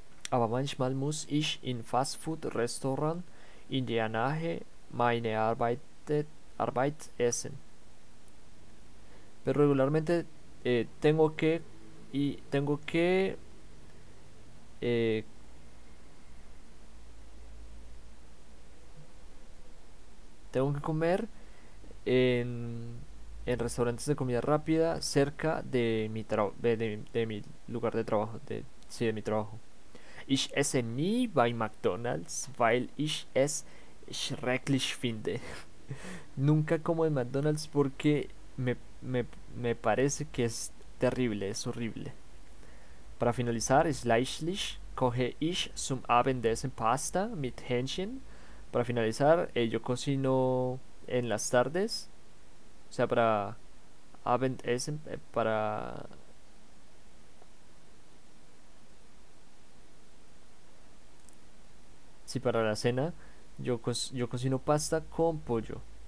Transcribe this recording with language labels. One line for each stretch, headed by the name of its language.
German: Aber manchmal muss ich in fast food restaurant in der Nähe meine Arbeit essen.
Spanish: Pero regularmente tengo que tengo que comer en restaurantes de comida rápida cerca de mi trabajo, de mi lugar de trabajo, sí, de mi trabajo.
German: Ich esse nie bei McDonald's, weil ich es schrecklich finde.
Spanish: Nunca como en McDonald's porque me parece que es terrible, es horrible. Para finalizar,
German: schließlich koche ich zum Abendessen Pasta mit Hähnchen.
Spanish: Para finalizar, yo cocino en las tardes. O sea, para Abendessen, para. Sí, para la cena, yo cocino pasta con pollo.